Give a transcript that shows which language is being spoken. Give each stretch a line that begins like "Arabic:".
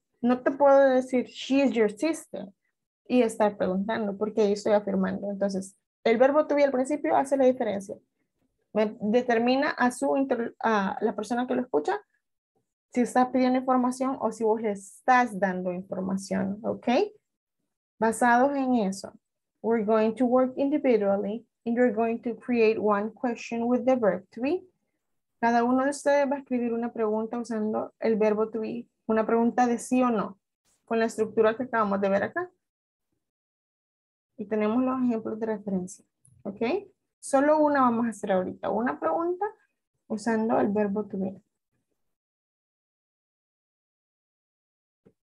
Spanish: No te puedo decir
English: she is your sister
Spanish: y estar preguntando porque ahí estoy afirmando. Entonces, el verbo to be al principio hace la diferencia. Me determina a su a la persona que lo escucha si está pidiendo información o si vos le estás dando información, ¿ok? Basados en eso,
English: we're going to work individually and you're going to create one question with the verb to be.
Spanish: Cada uno de ustedes va a escribir una pregunta usando el verbo to be, una pregunta de sí o no, con la estructura que acabamos de ver acá. Y tenemos los ejemplos de referencia, ¿ok? Solo una vamos a hacer ahorita. Una pregunta usando el verbo to be.